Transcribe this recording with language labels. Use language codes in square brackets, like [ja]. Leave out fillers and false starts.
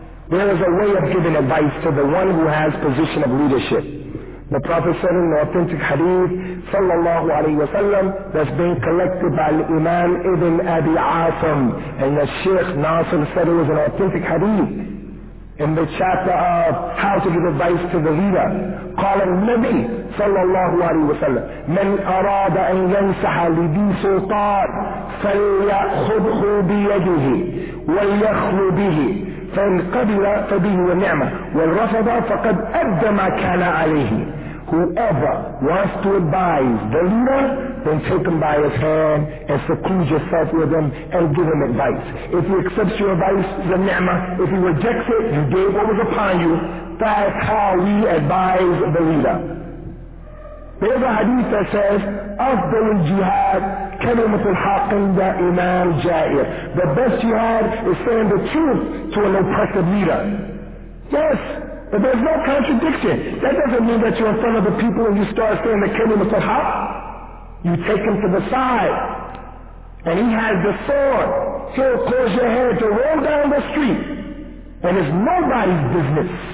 [en] There is a way of giving advice to the one who has position of leadership. The Prophet said in the authentic hadith, sallallahu alayhi wa sallam, that's been collected by Imam Ibn Abi Asim. And the Sheikh Nasir said it was an authentic hadith. In the chapter of how to give advice to the leader, [ar] قال النبي صلى الله عليه وسلم من أراد أن ينصح لذي سلطان فليأخذه بيده وليخل به فإن قبل فبه ونعمة والرفض فقد أدى ما كان عليه. [en] Whoever wants to advise the leader, then take him by his hand and seclude yourself with him and give him advice. If he accepts your advice, the ni'mah. If he rejects it, you gave what was upon you. That's how we advise the leader. There's a hadith that says, [ar] أفضل الجهاد كلمة الحق عند إمام جائر. [en] The best jihad is saying the truth to an oppressive leader. Yes. But there's no contradiction. That doesn't mean that you're in front of the people and you start saying the kingdom is hot. You take him to the side. And he has the sword. He'll cause your head to roll down the street. And it's nobody's business.